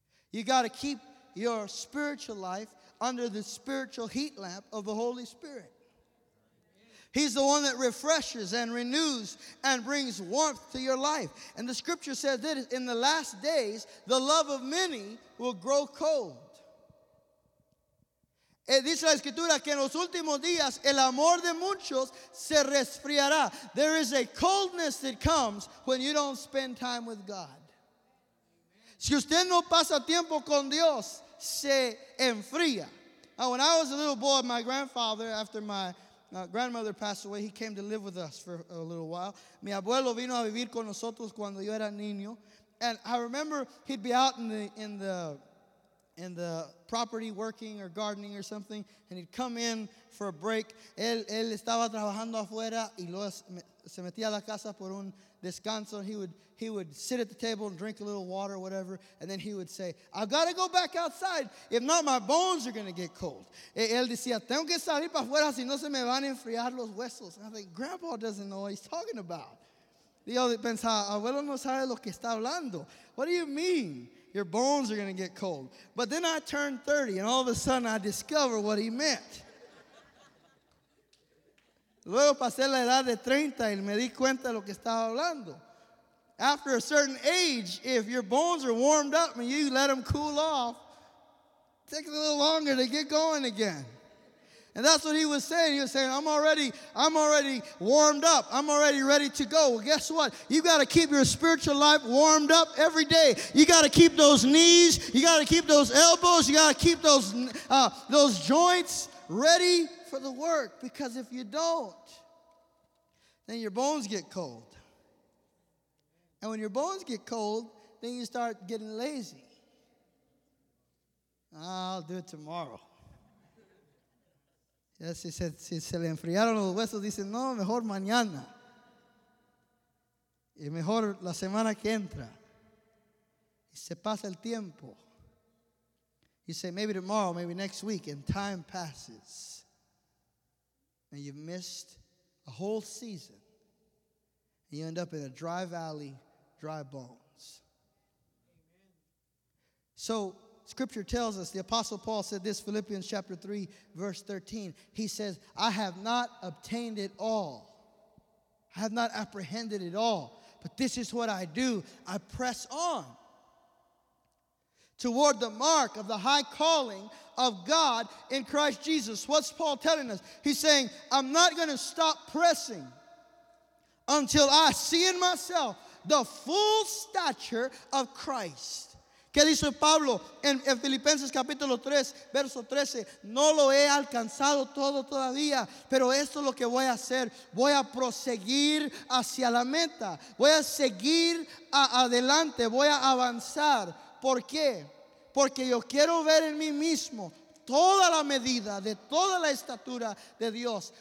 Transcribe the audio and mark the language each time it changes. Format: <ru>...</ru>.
<en>You got to keep your spiritual life under the spiritual heat lamp of the Holy Spirit. He's the one that refreshes and renews and brings warmth to your life. And the scripture says that in the last days, the love of many will grow cold.</en> <es>Dice la escritura que en los últimos días, el amor de muchos se resfriará.</es> <en>There is a coldness that comes when you don't spend time with God.</en> <es>Si usted no pasa tiempo con Dios, se enfría.</es> <en>Now, when I was a little boy, my grandfather, after my grandmother passed away, he came to live with us for a little while.</en> <es>Mi abuelo vino a vivir con nosotros cuando yo era niño.</es> <en>And I remember he'd be out in the property working or gardening or something, and he'd come in for a break.</en> <es>Él estaba trabajando afuera y luego se metía a la casa por un descanso.</es> <en>He would sit at the table and drink a little water or whatever, and then he would say, I've got to go back outside. If not, my bones are going to get cold.</en> <es>Él decía, tengo que salir para afuera si no se me van a enfriar los huesos.</es> <en>And I think, Grandpa doesn't know what he's talking about.</en> <es>Y yo pensaba, abuelo no sabe lo que está hablando.</es> <en>What do you mean? Your bones are going to get cold. But then I turned 30, and all of a sudden I discovered what he meant.</en> <es>Luego pasé la edad de 30 y me di cuenta de lo que estaba hablando.</es> <en>After a certain age, if your bones are warmed up and you let them cool off, it takes a little longer to get going again. And that's what he was saying. He was saying, I'm already warmed up. I'm already ready to go. Well, guess what? You got to keep your spiritual life warmed up every day. You got to keep those knees. You got to keep those elbows. You got to keep those joints ready for the work. Because if you don't, then your bones get cold. And when your bones get cold, then you start getting lazy. I'll do it tomorrow.</en> <es>Ya si se le enfriaron los huesos, dicen, no, mejor mañana. Y mejor la semana que entra. Y se pasa el tiempo.</es> <en>You say, maybe tomorrow, maybe next week, and time passes. And you've missed a whole season. And you end up in a dry valley, dry bones. So, Scripture tells us, the Apostle Paul said this, Philippians chapter 3, verse 13. He says, I have not obtained it all. I have not apprehended it all. But this is what I do. I press on toward the mark of the high calling of God in Christ Jesus. What's Paul telling us? He's saying, I'm not going to stop pressing until I see in myself the full stature of Christ.</en> <es>¿Qué dice Pablo en Filipenses capítulo 3, verso 13? No lo he alcanzado todo todavía, pero esto es lo que voy a hacer. Voy a proseguir hacia la meta. Voy a seguir adelante. Voy a avanzar. ¿Por qué? Porque yo quiero ver en mí mismo toda la medida de toda la estatura de Dios.</es>